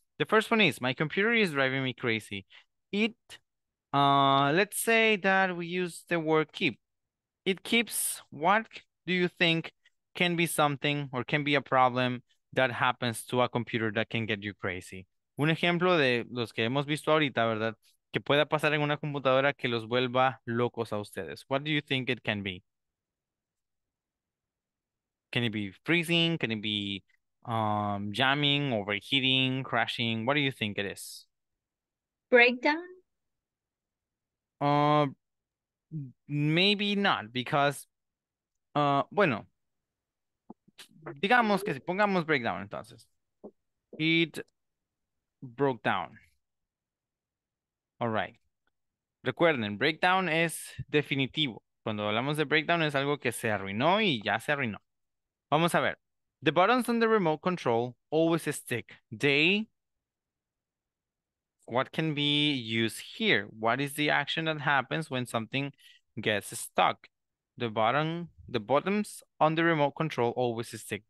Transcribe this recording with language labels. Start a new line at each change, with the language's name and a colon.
English: The first one is, my computer is driving me crazy. Let's say that we use the word keep. It keeps. What do you think can be something or can be a problem that happens to a computer that can get you crazy?
Spanish: Un ejemplo de los que hemos visto ahorita, ¿verdad? Que pueda pasar en una computadora que los vuelva locos a ustedes.
English: What do you think it can be? Can it be freezing? Can it be jamming, overheating, crashing? What do you think it is? Breakdown? Maybe not, because,
Spanish: bueno, digamos que si pongamos breakdown, entonces.
English: It broke down. All right.
Spanish: Recuerden, breakdown es definitivo. Cuando hablamos de breakdown es algo que se arruinó y ya se arruinó. Vamos a ver.
English: The buttons on the remote control always stick. They, what can be used here? What is the action that happens when something gets stuck? The buttons on the remote control always stick.